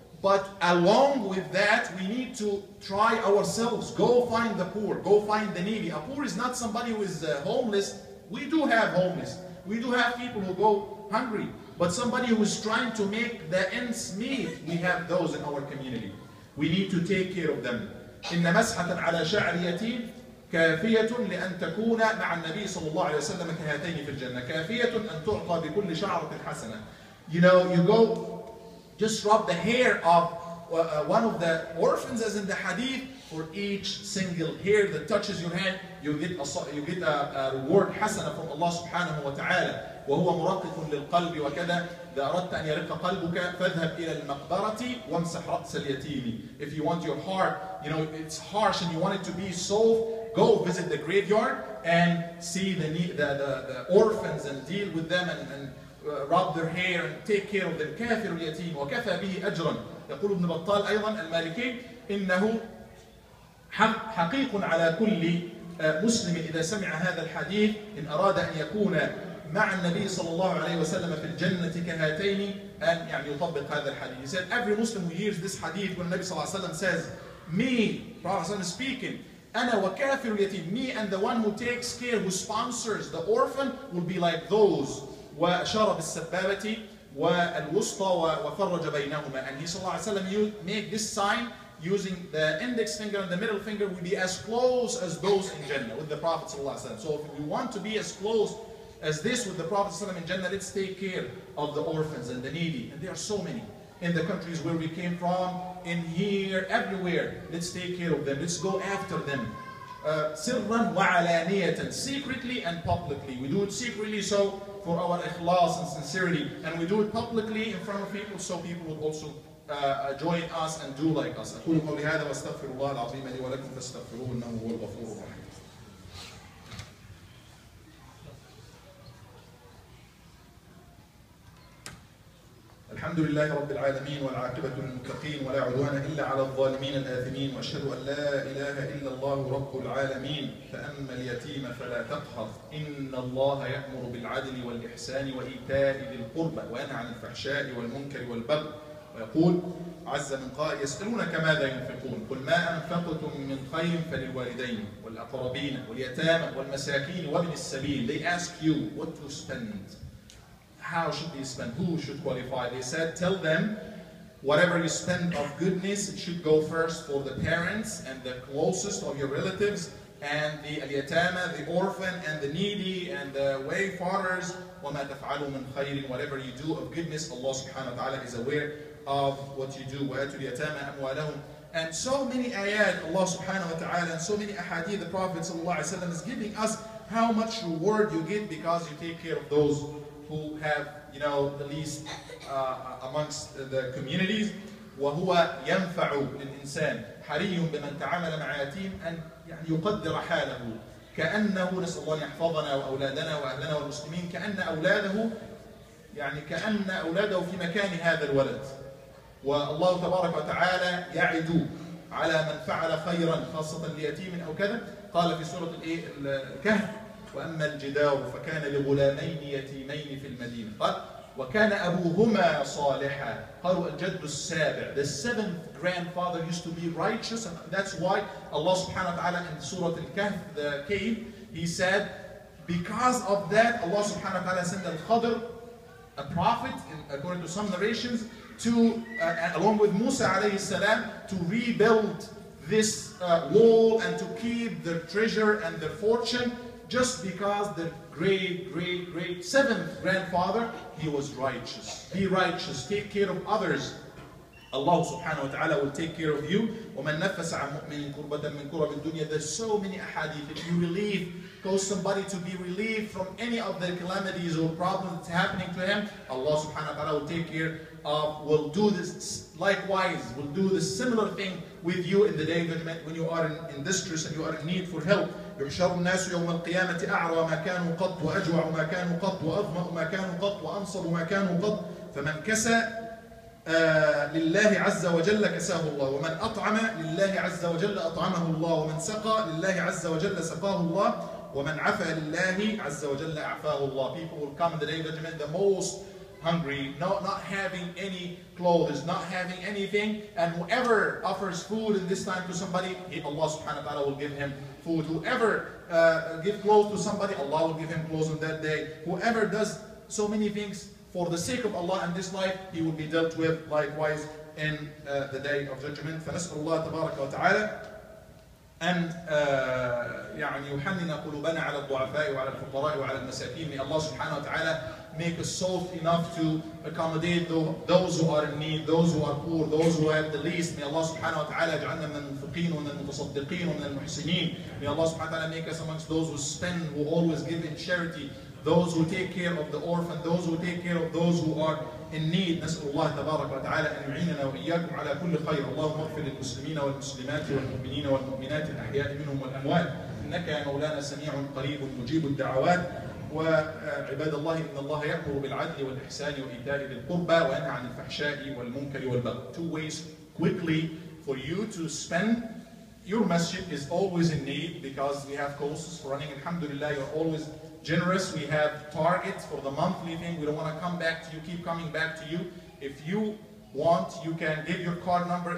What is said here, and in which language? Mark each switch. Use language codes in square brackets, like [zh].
[en] But along with that, we need to try ourselves. Go find the poor. Go find the needy. A poor is not somebody who is homeless. We do have homeless. We do have people who go hungry. But somebody who is trying to make the ends meet, we have those in our community. We need to take care of them. [ar] إن مسحة على شعر يتيم كافية لأن تكون مع النبي صلى الله عليه وسلم كهاتين في الجنة. كافية أن تعطى بكل شعرة حسنة. [en] You know, you go just rub the hair of one of the orphans, as in the hadith, for each single hair that touches your hand, you get a reward حسنة from Allah [ar] سبحانه وتعالى. وهو مرقق للقلب وكذا. إذا أردت أن يرق قلبك فاذهب إلى المقبرة وامسح رأس اليتيم. [en] If you want your heart, you know, it's harsh and you want it to be soft, go visit the graveyard and see the orphans and deal with them and rub their hair and take care of them. [ar] كافر اليتيم وكفى به أجرا. يقول ابن بطال أيضا المالكي إنه حقيق على كل مسلم إذا سمع هذا الحديث إن أراد أن يكون مع النبي صلى الله عليه وسلم في الجنة كهاتين أن يعني يطبق هذا الحديث. [en] He said, every Muslim who hears this hadith when [ar] النبي صلى الله عليه وسلم [en] says, me, Prophet ﷺ speaking, [ar] أنا وكافر يتيم, [en] me and the one who takes care, who sponsors the orphan, will be like those. [ar] وأشار بالسبابة والوسطى وفرج بينهما. [en] And he [ar] صلى الله عليه وسلم, [en] you make this sign using the index finger and the middle finger, will be as close as those in Jannah with the Prophet صلى الله عليه وسلم. So if we want to be as close as this with the Prophet ﷺ in Jannah, let's take care of the orphans and the needy. And there are so many in the countries where we came from, in here, everywhere. Let's take care of them. Let's go after them. [ar] سِرًّا وَعَلَانِيَةً, [en] secretly and publicly. We do it secretly so for our ikhlas and sincerity. And we do it publicly in front of people so people would also join us and do like us. [ar] أقول قولي هذا واستغفر الله العظيم لي ولكم فاستغفروه إنه هو الغفور الرحيم. الحمد لله رب العالمين والعاقبة للمتقين ولا عدوان إلا على الظالمين الآثمين وأشهد أن لا إله إلا الله رب العالمين فأما اليتيم فلا تقهر إن الله يأمر بالعدل والإحسان وإيتاء ذي القربى وينهى عن الفحشاء والمنكر والبغي ويقول عز من قائل يسألونك ماذا ينفقون قل ما أنفقتم من خير فللوالدين والأقربين واليتامى والمساكين وابن السبيل. [en] They ask you what to spend. How should they spend? Who should qualify? They said, tell them, whatever you spend of goodness, it should go first for the parents and the closest of your relatives and the اليتامى, the orphan and the needy and the wayfarers. [ar] وما تفعلوا من خير, [en] whatever you do of goodness, Allah subhanahu wa ta'ala is aware of what you do. [ar] وآتوا اليتامى أموالهم. [en] And so many ayat, Allah subhanahu wa ta'ala, and so many ahadith, the Prophet sallallahu alayhi wa sallam is giving us how much reward you get because you take care of those who have, you know, the least amongst the communities. [ar] وهو ينفع للإنسان حري بمن تعامل مع يتيم أن يعني يقدر حاله كأنه, نسأل الله أن يحفظنا وأولادنا وأهلنا والمسلمين, كأن أولاده يعني كأن أولاده في مكان هذا الولد. والله تبارك وتعالى يعد على من فعل خيرا خاصة ليتيم أو كذا. قال في سورة الكهف وأما الجدار فكان لغلامين يتيمين في المدينة. قال وكان أبوهما صالحا. قالوا الجد السابع. [en] The seventh grandfather used to be righteous, and that's why Allah [ar] سبحانه وتعالى [en] in Surah Al-Kahf, the cave, he said, because of that, Allah سبحانه وتعالى sent Al-Khadr, a prophet, according to some narrations, to along with Musa [ar] عليه السلام, [en] to rebuild this wall and to keep their treasure and their fortune, just because the great, great, great seventh grandfather, he was righteous. Be righteous. Take care of others. Allah subhanahu wa ta'ala will take care of you. [ar] وَمَنْ نَفَّسَ عَمْ مُؤْمِنٍ كُرْبَةً مِنْ كُرَبِ الدُّنْيَا. [en] There's so many ahadith. If you relieve, cause somebody to be relieved from any of the calamities or problems that's happening to him, Allah subhanahu wa ta'ala will take care of, will do this likewise, will do the similar thing with you in the day of judgment when you are in distress and you are in need for help. [ar] يحشر الناس يوم القيامة أعرى ما كانوا قط وأجوع ما كانوا قط وأظمأ ما كانوا قط وأنصب ما كانوا قط فمن كسى لله عز وجل كساه الله، ومن أطعم لله عز وجل أطعمه الله، ومن سقى لله عز وجل سقاه الله، ومن عفى لله عز وجل أعفاه الله. [en] People will come in the day of judgment the most hungry, not having any clothes, not having anything, and whoever offers food in this time to somebody, Allah subhanahu wa ta'ala will give him food. Whoever give clothes to somebody, Allah will give him clothes on that day. Whoever does so many things for the sake of Allah in this life, he will be dealt with likewise in the day of judgment. [ar] فَنَسْأَلُ اللَّهَ تَبَارَكَ وَتَعَالَى أَنْ يعني يُحَنِّنَ قُلُوبَنَا عَلَى الضُّعَفَاءِ وَعَلَى الْفُقَرَاءِ وَعَلَى الْمَسَاكِينِ. [en] May Allah subhanahu wa ta'ala make us soft enough to accommodate those who are in need, those who are poor, those who have the least. May Allah subhanahu wa ta'ala [ar] اجعلنا من المنفقين ومن المتصدقين ومن المحسنين. [en] May Allah subhanahu wa ta'ala make us amongst those who spend, who always give in charity, those who take care of the orphan, those who take care of those who are in need. [ar] نسأل الله تبارك وتعالى أن يعيننا وإياكم على كل خير. اللهم اغفر للمسلمين والمسلمات والمؤمنين والمؤمنات الأحياء منهم والأموات، إنك يا مولانا سميع قريب مجيب الدعوات. وعباد الله، إن الله يأمر بالعدل والإحسان وإيتاء ذي القربى وينهى عن الفحشاء والمنكر والبغي. [en] Two ways quickly for you to spend. Your masjid is always in need because we have courses running. Alhamdulillah, you're always generous. We have targets for the monthly thing. We don't want to come back to you, keep coming back to you. If you want, you can give your card number.